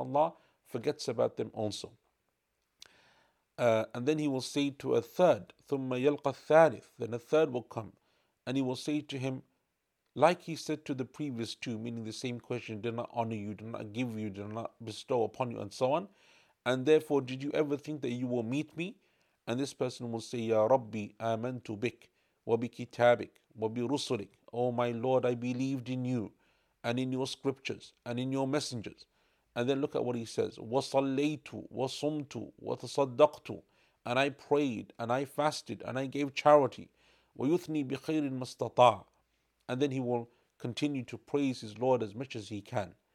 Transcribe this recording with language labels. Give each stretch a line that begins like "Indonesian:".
English: Allah forgets about them also. And then he will say to a third,
Arabic: ثُمَّ يَلْقَ الثَّالِثِ.
English: Then a third will come. And he will say to him, like he said to the previous two, meaning the same question, did not honor you, did not give you, did not bestow upon you, and so on. And therefore, did you ever think that you will meet me? And this person will say,
Arabic: يَا رَبِّي آمَنْتُ بِكَ وَبِكِتَابِكَ وَبِرُسُلِكَ.
English: Oh my Lord, I believed in you, and in your scriptures, and in your messengers. And then look at what he says,
Arabic: وَصَلَّيْتُ وَصُمْتُ وَتَصَدَّقْتُ.
English: And I prayed, and I fasted, and I gave charity.
Arabic: وَيُثْنِي بِخَيْرٍ مَسْتَطَاعَ.
English: And then he will continue to praise his Lord as much as he can.